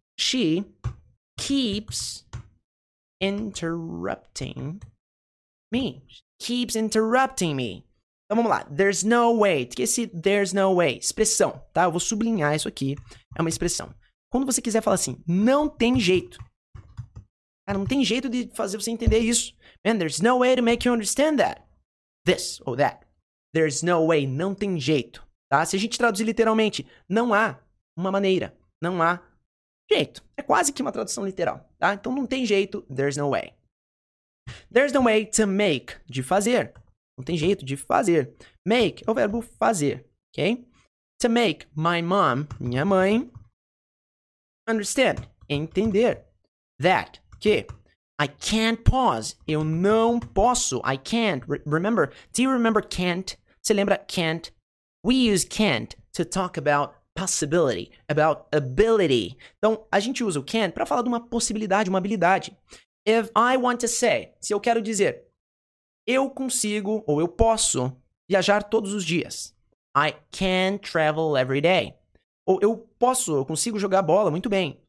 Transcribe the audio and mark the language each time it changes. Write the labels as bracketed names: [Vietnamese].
[English] She keeps interrupting me. She keeps interrupting me. [Portuguese] Então vamos lá. [English] There's no way. [Portuguese] Esqueci [English] there's no way. [Portuguese] Expressão, tá? Eu vou sublinhar isso aqui. É uma expressão. Quando você quiser falar assim, não tem jeito. Cara, não tem jeito de fazer você entender isso. [English] Man, there's no way to make you understand that. This or that. There's no way. [Portuguese] Não tem jeito. Tá? Se a gente traduzir literalmente, não há uma maneira. Não há. Jeito. É quase que uma tradução literal, tá? Então não tem jeito, [English] there's no way. There's no way to make, [Portuguese] de fazer. Não tem jeito de fazer. Make é o verbo fazer, ok? [English] To make my mom, [Portuguese] minha mãe, [English] understand, entender. That, que. I can't pause. [Portuguese] Eu não posso. [English] I can't. Remember, do you remember can't? [Portuguese] Você lembra [English] can't? We use can't to talk about possibility, about ability. [Portuguese] Então, a gente usa o can't para falar de uma possibilidade, uma habilidade. [English] If I want to say, [Portuguese] se eu quero dizer, eu consigo ou eu posso viajar todos os dias. [English] I can travel every day. [Portuguese] Ou eu posso, eu consigo jogar bola muito bem.